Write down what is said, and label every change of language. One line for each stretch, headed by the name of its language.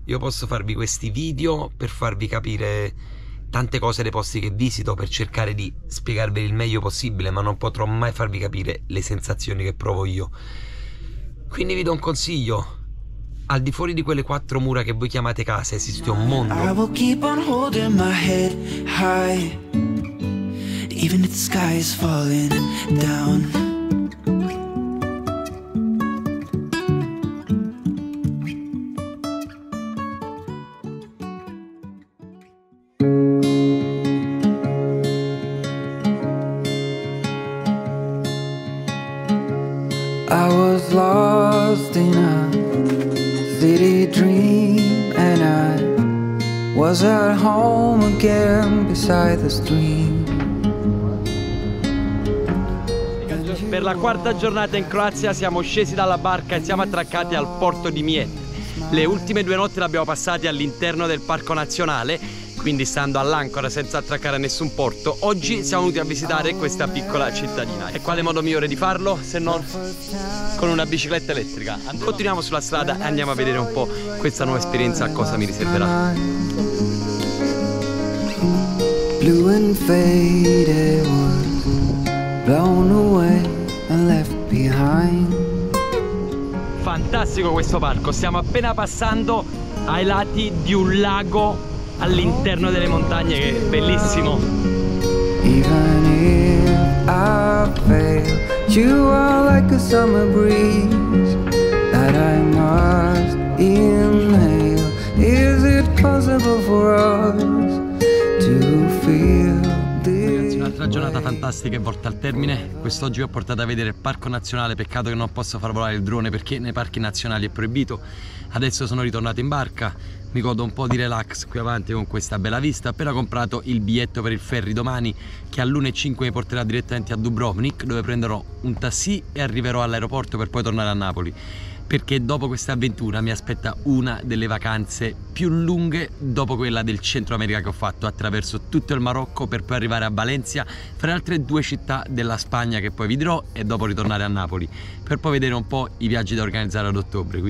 Italian: Io posso farvi questi video per farvi capire tante cose dei posti che visito, per cercare di spiegarvi il meglio possibile, ma non potrò mai farvi capire le sensazioni che provo io. Quindi vi do un consiglio: al di fuori di quelle quattro mura che voi chiamate casa esiste un mondo.
English: I will keep on holding my head high. Even if the sky is falling down, I was lost in a city dream, and I was at home again beside the stream.
Italian: Per la quarta giornata in Croazia siamo scesi dalla barca e siamo attraccati al porto di Mljet. Le ultime due notti le abbiamo passate all'interno del parco nazionale. quindi stando all'ancora senza attraccare a nessun porto, oggi siamo venuti a visitare questa piccola cittadina. E quale modo migliore di farlo se non con una bicicletta elettrica? Continuiamo sulla strada e andiamo a vedere un po' questa nuova esperienza cosa mi riserverà.
English: Blue and faded wood, blown away and left behind.
Italian: Fantastico questo parco, stiamo appena passando ai lati di un lago all'interno delle montagne, che è bellissimo.
English: Even if I fail, you are like a summer breeze that I must inhale. Is it possible for us to feel this?
Italian: Ragazzi, un'altra giornata fantastica è volta al termine. Quest'oggi vi ho portato a vedere il parco nazionale. Peccato che non posso far volare il drone perché nei parchi nazionali è proibito. Adesso sono ritornato in barca, mi godo un po' di relax qui avanti con questa bella vista. Appena comprato il biglietto per il ferry domani, che all'1:05 mi porterà direttamente a Dubrovnik, dove prenderò un taxi e arriverò all'aeroporto per poi tornare a Napoli, perché dopo questa avventura mi aspetta una delle vacanze più lunghe dopo quella del Centro America che ho fatto attraverso tutto il Marocco per poi arrivare a Valencia, fra altre due città della Spagna che poi vi dirò, e dopo ritornare a Napoli per poi vedere un po' i viaggi da organizzare ad ottobre.